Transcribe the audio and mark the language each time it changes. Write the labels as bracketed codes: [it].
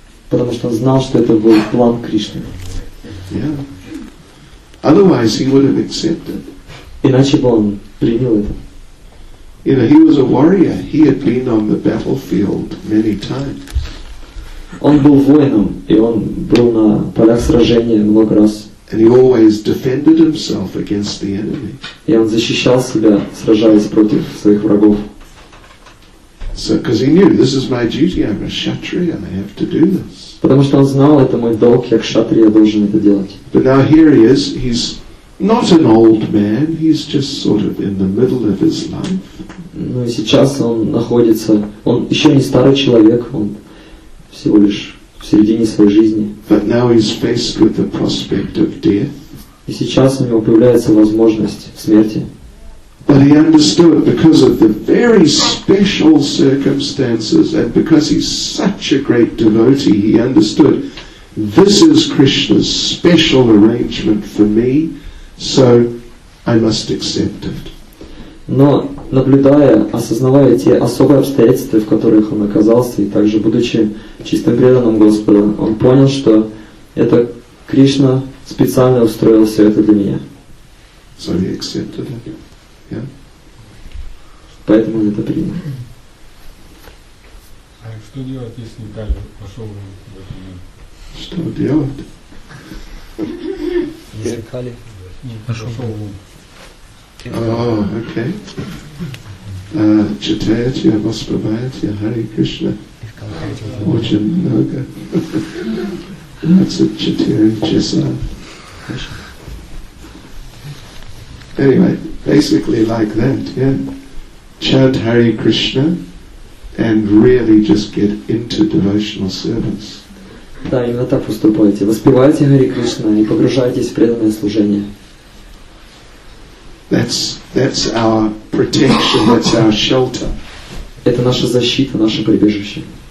[ru] Потому что он знал, что это был план Кришны. [en] Yeah. Otherwise he would have accepted. [ru] Иначе бы он принял это. [en] You know, he was a warrior. He had been on the battlefield many times. [ru] Он был воином, и он был на полях сражения много раз. [en] And he always defended himself against the enemy. [ru] И он защищал себя, сражаясь против своих врагов. [en] So, because he knew, this is my duty, I'm a kshatriya, I have to do this. [ru] Потому что он знал, это мой долг, я кшатрия, должен это делать. [en] But now here he is, he's not an old man, he's just sort of in the middle of his life. [ru] Ну и сейчас он находится, он еще не старый человек, он всего лишь в середине своей жизни. [en] But now he's faced with the prospect of death. [ru] И сейчас у него появляется возможность смерти. [en] But he understood, because of the very special circumstances and because he's such a great devotee, he understood, this is Krishna's special arrangement for me, so I must accept it. [ru] Но, наблюдая, осознавая те особые обстоятельства, в которых он оказался, и также будучи чисто преданным Господом, он понял, что это Кришна специально устроил все это для меня. [en] So he accepted it. Yeah. [ru] Поэтому он это принял. А что делать, если далее пошел в эту Что делать? Не зеркали. Пошел. Окей. Читаете, воспеваете Харе Кришна. Очень много. 24 часа. [en] Anyway, basically like that, yeah. Chant Hare Krishna and really just get into devotional service. [ru] Да, именно так поступайте. Воспевайте Хари Кришна и погружайтесь в преданное служение. [en] That's our protection, that's our shelter. [ru] Это наша защита, наше прибежище.